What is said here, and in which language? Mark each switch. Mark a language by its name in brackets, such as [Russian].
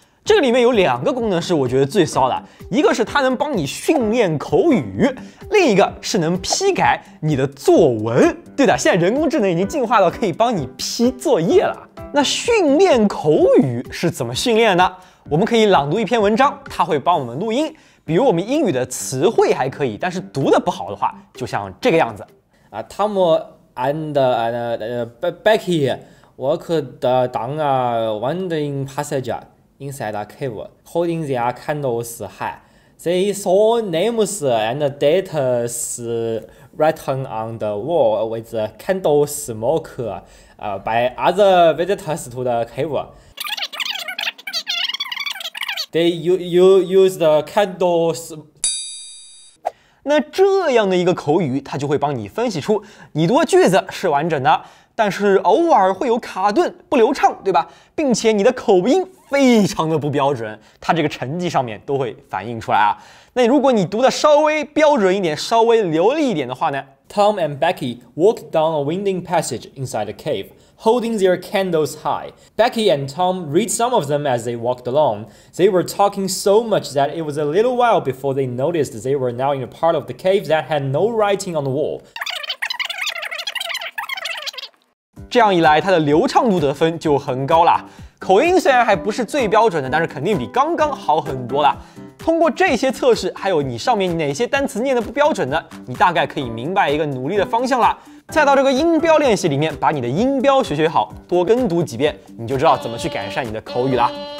[Chinese] 这个里面有两个功能是我觉得最骚的，一个是它能帮你训练口语，另一个是能批改你的作文。对的，现在人工智能已经进化到可以帮你批作业了。那训练口语是怎么训练呢？我们可以朗读一篇文章，它会帮我们录音。比如我们英语的词汇还可以，但是读的不好的话，就像这个样子 [English] 啊 ，Tom and Becky worked down a winding passage. Inside a cave, holding their candles high, they saw names and dates written on the wall with candle smoke, by other visitors to the cave. They used candles. [Chinese] 那这样的一个口语，它就会帮你分析出你读的句子是完整的，但是偶尔会有卡顿不流畅，对吧？并且你的口音非常的不标准，它这个成绩上面都会反映出来啊。那如果你读的稍微标准一点，稍微流利一点的话呢？ [English] Tom and Becky walked down a winding passage inside a cave, holding their candles high. Becky and Tom read some of them as they walked along. They were talking so much that it was a little while before they noticed they were now in a part of the cave that had no writing on the wall. [Chinese] 这样一来，它的流畅度得分就很高了。口音虽然还不是最标准的，但是肯定比刚刚好很多了。通过这些测试，还有你上面哪些单词念得不标准的，你大概可以明白一个努力的方向了。再到这个音标练习里面，把你的音标学学好，多跟读几遍，你就知道怎么去改善你的口语了。